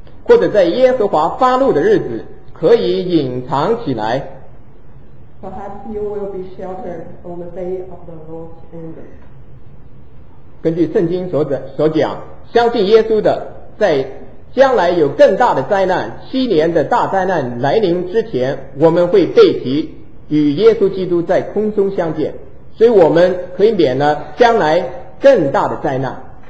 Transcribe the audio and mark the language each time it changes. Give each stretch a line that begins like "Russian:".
Chinese: 或者在耶和华发怒的日子，可以隐藏起来。
English: Perhaps you will be sheltered on the day of the Lord's anger.
Chinese: 根据圣经所讲，相信耶稣的在将来有更大的灾难，七年的大灾难来临之前，我们会被提与耶稣基督在空中相见，所以我们可以免了将来更大的灾难。